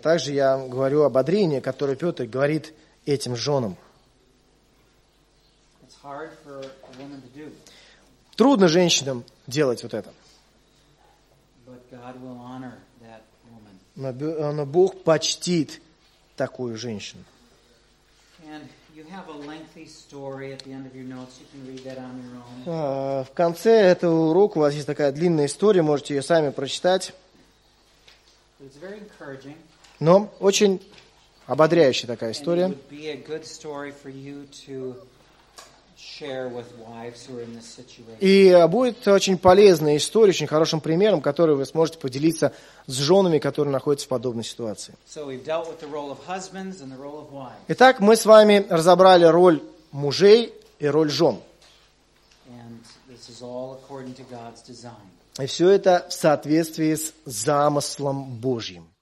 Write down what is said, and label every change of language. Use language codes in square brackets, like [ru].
[ru] также я говорю ободрение, которое Петр говорит этим женам. [en] It's hard for a woman to do. [ru] Трудно женщинам делать вот это. [en] But God God will honor that woman. [ru] Но Бог почтит такую женщину. [en] And you have a lengthy story at the end of your notes. You can read that on your own. [ru] В конце этого урока у вас есть такая длинная история, можете ее сами прочитать. [en] It's very encouraging. [ru] Но очень ободряющая такая история. [en] And it would be a good story for you to share with wives who are in this situation. [ru] И будет очень полезная история, очень хорошим примером, который вы сможете поделиться с женами, которые находятся в подобной ситуации. [en] So we've dealt with the role of husbands and the role of wives. [ru] Итак, мы с вами разобрали роль мужей и роль жен. [en] And this is all according to God's design. [ru] И все это в соответствии с замыслом Божьим.